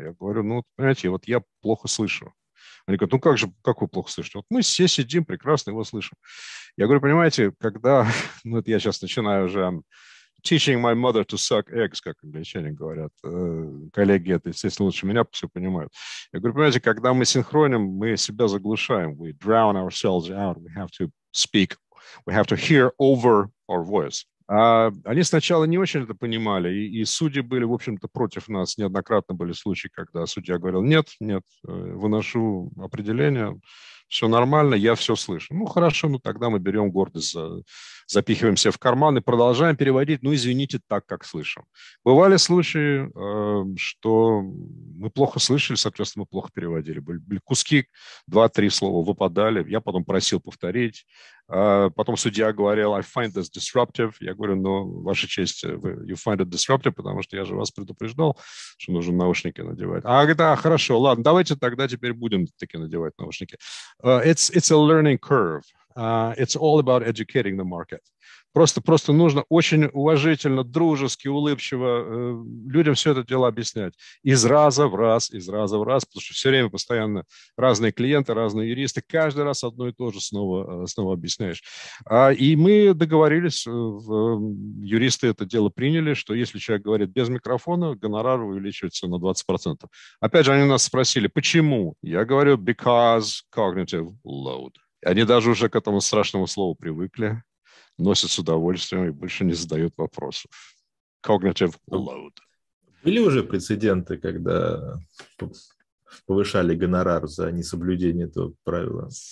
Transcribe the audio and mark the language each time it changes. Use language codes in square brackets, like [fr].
[ru] Я говорю, ну, понимаете, вот я плохо слышу. Они говорят, ну как же, как вы плохо слышите? Вот мы все сидим, прекрасно его слышим. Я говорю, понимаете, когда, ну это я сейчас начинаю уже [en] teaching my mother to suck eggs, [ru] как англичане говорят, коллеги это, естественно, лучше меня все понимают. Я говорю, понимаете, когда мы синхроним, мы себя заглушаем, [en] we drown ourselves out, we have to speak, we have to hear over our voice. [ru] А они сначала не очень это понимали, и судьи были, в общем-то, против нас. Неоднократно были случаи, когда судья говорил, нет, нет, выношу определение, все нормально, я все слышу. Ну, хорошо, ну тогда мы берем гордость, запихиваемся в карман и продолжаем переводить, ну, извините, так, как слышим. Бывали случаи, что мы плохо слышали, соответственно, мы плохо переводили. Были куски, 2-3 слова выпадали, я потом просил повторить. Потом судья говорил, [en] I find this disruptive. [ru] Я говорю, ну, ваша честь, [en] you find it disruptive, [ru] потому что я же вас предупреждал, что нужно наушники надевать. А, да, хорошо, ладно, давайте тогда теперь будем таки надевать наушники. [en] It's a learning curve. It's all about educating the market. [ru] Просто нужно очень уважительно, дружески, улыбчиво людям все это дело объяснять. Из раза в раз, потому что все время постоянно разные клиенты, разные юристы, каждый раз одно и то же снова объясняешь. И мы договорились, юристы это дело приняли, что если человек говорит без микрофона, гонорар увеличивается на 20%. Опять же, они нас спросили, почему? Я говорю, [en] because cognitive load. [ru] Они даже уже к этому страшному слову привыкли, носят с удовольствием и больше не задают вопросов. [en] Cognitive load. [ru] Были уже прецеденты, когда повышали гонорар за несоблюдение этого правила?